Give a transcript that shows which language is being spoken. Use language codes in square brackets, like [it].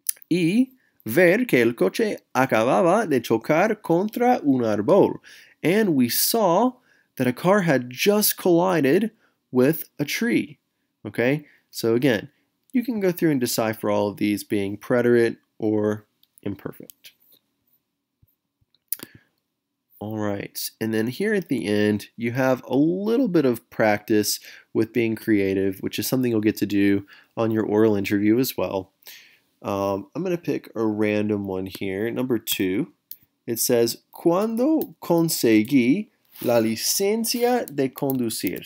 [es] Y ver que el coche acababa de chocar contra un árbol. [en] And we saw that a car had just collided with a tree. Okay? So again, you can go through and decipher all of these being preterite or imperfect. All right, and then here at the end, you have a little bit of practice with being creative, which is something you'll get to do on your oral interview as well. I'm going to pick a random one here, number two. It says, [es] ¿Cuándo conseguí la licencia de conducir?